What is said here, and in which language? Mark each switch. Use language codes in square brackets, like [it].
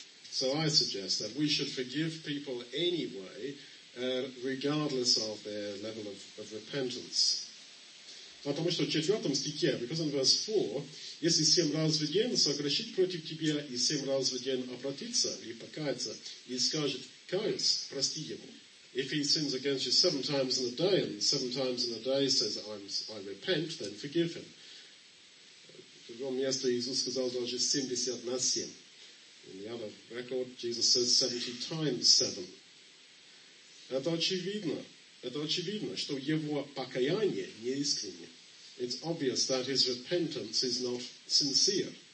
[en] So I suggest that we should forgive people anyway, regardless of their level of repentance. [ru] Потому что в четвертом стихе, [en] because in verse 4, [ru] если семь раз в день согрешить против тебя и семь раз в день обратиться или покаяться и скажет каюсь, прости ему. [en] If he sins against you seven times in a day and seven times in a day says I repent, then forgive him. [ru] В другом месте Иисус сказал даже 70 на 7. [en] In the other record, Jesus says 70 times 7. [ru] Это очевидно, что его покаяние не искренне. [en] It's obvious that his repentance is not sincere.